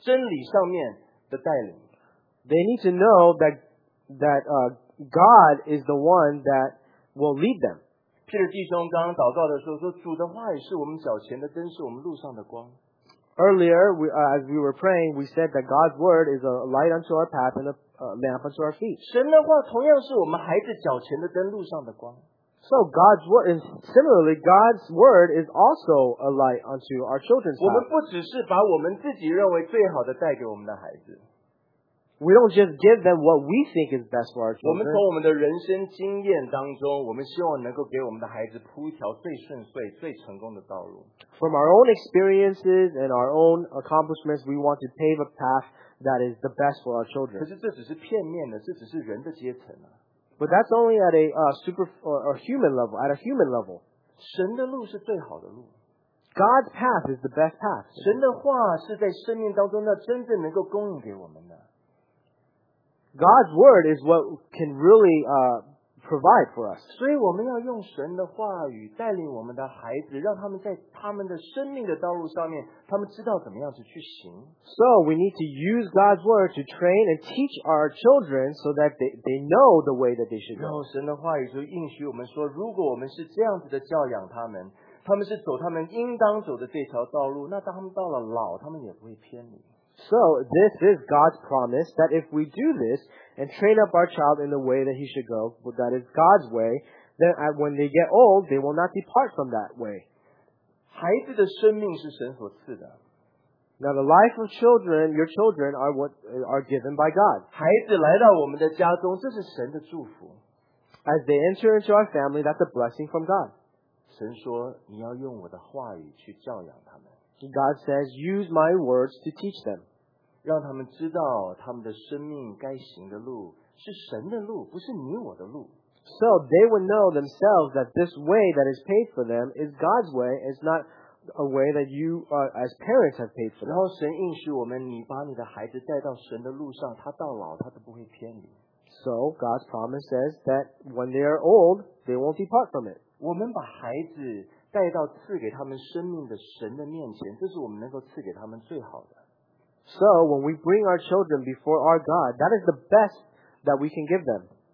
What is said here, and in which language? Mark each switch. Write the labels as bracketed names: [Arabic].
[Chinese] 他们需要认识神对生命真理上面的带领。 [English] They need to know that God is the one that will lead them. [Chinese] 彼得弟兄刚刚祷告的时候说，主的话也是我们脚前的灯，是我们路上的光。 [English] Earlier, as we were praying, we said that God's word is a light unto our path and a lamp unto our feet. [Chinese] 神的话同样是我们孩子脚前的灯，路上的光。 [English] So God's word, and similarly, God's word is also a light unto our children's path. [Chinese] 我们不只是把我们自己认为最好的带给我们的孩子。 [English] We don't just give them what we think is best for our children. [Chinese] 我们从我们的人生经验当中，我们希望能够给我们的孩子铺一条最顺遂、最成功的道路。 [English] From our own experiences and our own accomplishments, we want to pave a path that is the best for our children. [Chinese] 可是这只是片面的，这只是人的阶层啊。 [English] But that's only at a super or human level, at a human level. [Chinese] 神的路是最好的路。 [English] God's path is the best path. [Chinese] 神的话是在生命当中那真正能够供应给我们的。 [English] God's word is what can really provide for us. [Chinese] 所以我们要用神的话语带领我们的孩子, 让他们在他们的生命的道路上面, 他们知道怎么样子去行。 [English] So we need to use God's word to train and teach our children so that they know the way that they should go. [Chinese] 然后神的话语就应许我们说, 如果我们是这样子的教养他们, 他们是走他们应当走的这条道路, 那当他们到了老, 他们也不会偏离。 [English] So this is God's promise that if we do this and train up our child in the way that he should go, well, that is God's way, then when they get old, they will not depart from that way. [Chinese] 孩子的生命是神所赐的。 [English] Now the life of children, your children, are what are given by God. [Chinese] 孩子来到我们的家中, 这是神的祝福。 [English] As they enter into our family, that's a blessing from God. [Chinese] 神说你要用我的话语去教养他们。 [English] God says, use my words to teach them. [Chinese] 让他们知道他们的生命该行的路是神的路，不是你我的路。 [English] So they would know themselves that this way that is paid for them is God's way, it's not a way that you as parents have paid for them. [Chinese] 然后神应许我们，你把你的孩子带到神的路上，他到老他都不会偏离。 [English] So God's promise says that when they are old, they won't depart from it. [Chinese] 我们把孩子 带到赐给他们生命的神的面前，这是我们能够赐给他们最好的。 [English] So when we bring our children before our God, that is the best that we can give them.